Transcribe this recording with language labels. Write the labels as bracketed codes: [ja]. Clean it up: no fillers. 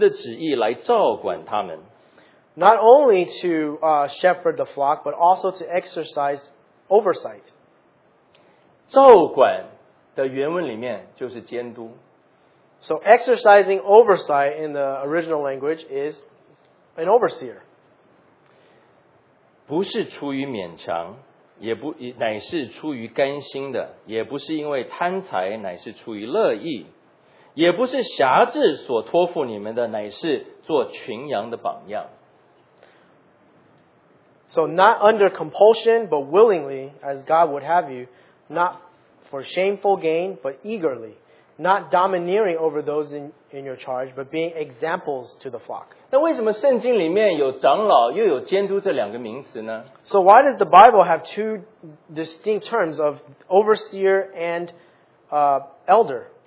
[zh] 不但要牧养呢,并且要按照神的旨意来照管他们。 [en] Not only to shepherd the flock, but also to exercise oversight. [zh] 照管的原文里面就是监督。 [en] So exercising oversight in the original language is an overseer. [zh] 不是出于勉强,也不是因为贪财,乃是出于乐意,也不是辖制所托付你们的,乃是做群羊的榜样。So [en] not under compulsion, but willingly, as God would have you, not for shameful gain, but eagerly, not domineering over those in your charge, but being examples to the flock. [zh] 那为什么圣经里面有长老又有监督这两个名词呢? [en] So why does the Bible have two distinct terms of overseer and elder?